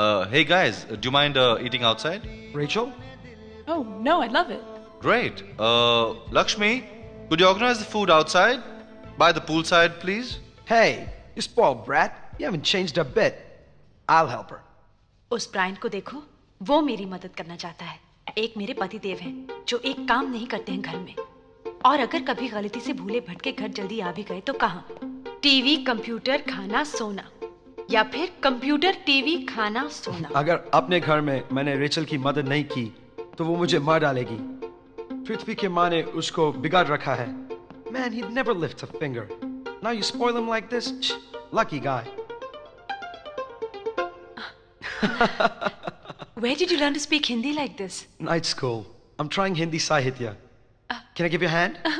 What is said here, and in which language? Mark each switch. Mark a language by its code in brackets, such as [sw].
[en] Hey guys, do you mind eating outside? Rachel? Oh, no, I'd love it. Great. Lakshmi, could you organize the food outside? By the poolside, please? Hey, you spoiled brat. You haven't changed a bit. I'll help her. [hi] उस Brian को देखो, वो मेरी मदद करना चाहता है। एक मेरे पतिदेव हैं, जो एक काम नहीं करते हैं घर में। और अगर कभी गलती से भूले भटके घर जल्दी आ भी गए तो कहाँ? टीवी, कंप्यूटर, खाना, सोना, या फिर कंप्यूटर, टीवी, खाना, सोना। अगर अपने घर में मैंने रेचल की मदद नहीं की तो वो मुझे मार डालेगी। पृथ्वी के माँ ने उसको बिगाड़ रखा है। [en] Man, he'd never lift a finger. Now you spoil him like this? Lucky guy. Where did you learn to speak Hindi like this? Night school. I'm trying Hindi Sahitya. Can I give you a hand?